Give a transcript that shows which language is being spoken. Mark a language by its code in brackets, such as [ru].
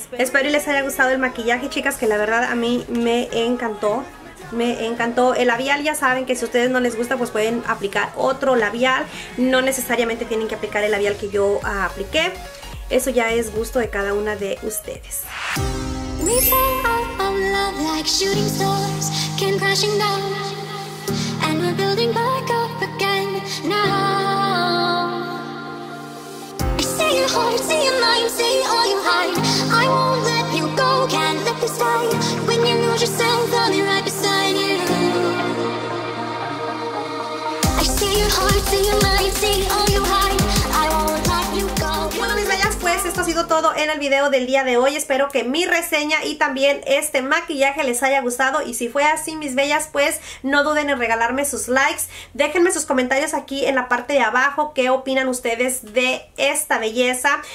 [es] Espero y les haya gustado el maquillaje, chicas, que la verdad a mí me encantó. Me encantó. El labial, ya saben que si ustedes no les gusta, pues pueden aplicar otro labial. No necesariamente tienen que aplicar el labial que yo apliqué. Eso ya es gusto de cada una de ustedes. [en] We fell out of love like shooting stars came crashing down, and we're building back up again now. I see your heart, see your mind, see all you hide. I won't let you go, can't let this die. When you lose yourself, I'll be right beside you. I see your heart, see your mind, see all you hide. I won't let you go. [es] Esto ha sido todo en el video del día de hoy. Espero que mi reseña y también este maquillaje les haya gustado. Y si fue así, mis bellas, pues no duden en regalarme sus likes. Déjenme sus comentarios aquí en la parte de abajo. ¿Qué opinan ustedes de esta belleza?